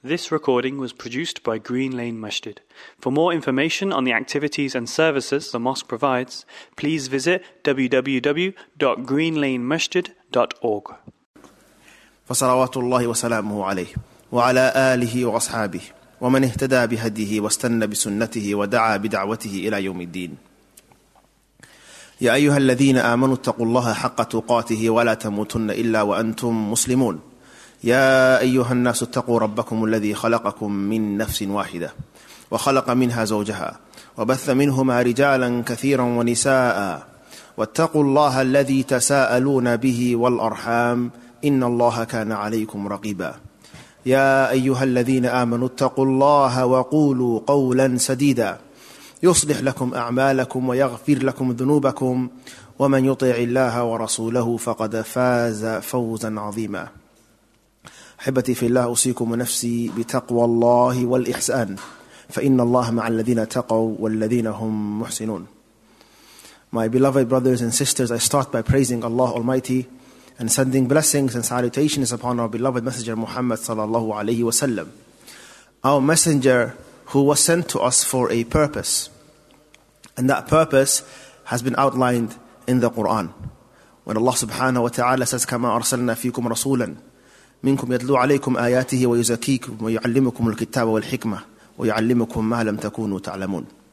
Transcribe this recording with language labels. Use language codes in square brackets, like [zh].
[en] This recording was produced by Green Lane Masjid. For more information on the activities and services the mosque provides, please visit www.greenlanemasjid.org. [ar] فصلواتullahi wa salamuhu عليه وعلى آله وأصحابه ومن اهتدى بهديه واستنى بسنته ودعا بدعوته إلى يوم الدين. يا أيها الذين آمنوا اتقوا الله حق تقاته ولا تموتن إلا وأنتم مسلمون. يا أيها الناس اتقوا ربكم الذي خلقكم من نفس واحدة وخلق منها زوجها وبث منهما رجالا كثيرا ونساء واتقوا الله الذي تساءلون به والأرحام إن الله كان عليكم رقيبا يا أيها الذين آمنوا اتقوا الله وقولوا قولا سديدا يصلح لكم أعمالكم ويغفر لكم ذنوبكم ومن يطع الله ورسوله فقد فاز فوزا عظيما أحبتي في الله أوصيكم ونفسي بتقوى الله والإحسان فإن الله مع الذين تقوا والذين هم محسنون. [en] My beloved brothers and sisters, I start by praising Allah Almighty and sending blessings and salutations upon our beloved messenger Muhammad sallallahu alayhi wa sallam, our messenger who was sent to us for a purpose, and that purpose has been outlined in the Quran when Allah subhanahu wa ta'ala says, [ar] كما أرسلنا فيكم رسولا منكم يتلو عليكم آياته ويزكيكم ويعلمكم الكتاب والحكمة ويعلمكم ما لم تكونوا تعلمون.